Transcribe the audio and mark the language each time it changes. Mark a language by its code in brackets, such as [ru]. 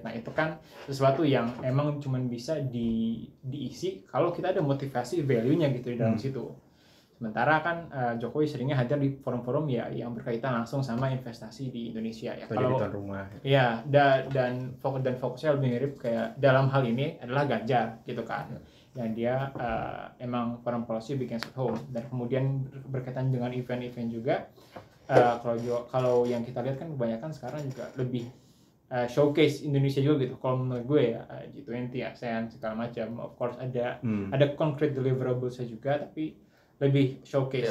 [id] Nah itu kan sesuatu yang emang cuman bisa diisi kalau kita ada motivasi value-nya gitu di dalam situ. Sementara kan Jokowi seringnya hadir di forum-forum ya yang berkaitan langsung sama investasi di Indonesia ya. Kalau jadi tuan rumah. Iya, dan fokusnya lebih mirip kayak dalam hal ini adalah Ganjar gitu kan. Dan dia emang [en] foreign policy begins at home. [id] Dan kemudian berkaitan dengan event-event juga, kalau yang kita lihat kan kebanyakan sekarang juga lebih showcase Indonesia juga gitu. Kalau menurut gue ya G20, ASEAN segala macam, of course ada [en] concrete deliverables [id] juga, tapi lebih showcase